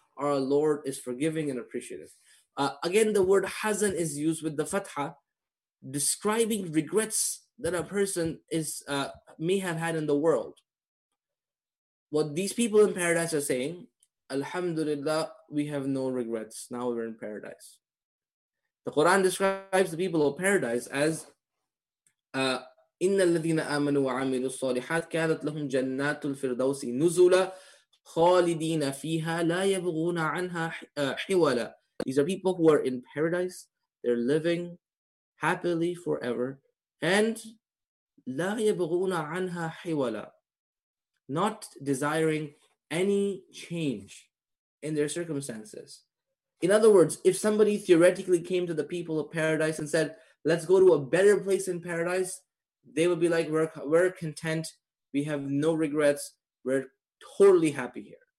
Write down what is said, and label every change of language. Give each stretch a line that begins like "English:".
English: Our Lord is forgiving and appreciative. Again, the word hazan is used with the fatha, describing regrets that a person is may have had in the world. What these people in paradise are saying, Alhamdulillah, we have no regrets. Now we're in paradise. The Quran describes the people of paradise as
Arabic: إِنَّ الَّذِينَ آمَنُوا وَعَمِلُوا الصَّالِحَاتِ كَانَتْ لَهُمْ جَنَّاتُ الْفِرْدَوْسِ نُزُولًا خَالِدِينَ فِيهَا لَا يَبْغُونَ عَنْهَا حِوَلًا.
English: These are people who are in paradise. They're living happily forever. And
Arabic: لَا يَبْغُونَ عَنْهَا حِوَلًا.
English: Not desiring any change in their circumstances. In other words, if somebody theoretically came to the people of paradise and said, let's go to a better place in paradise, they would be like, we're content, we have no regrets, we're totally happy here.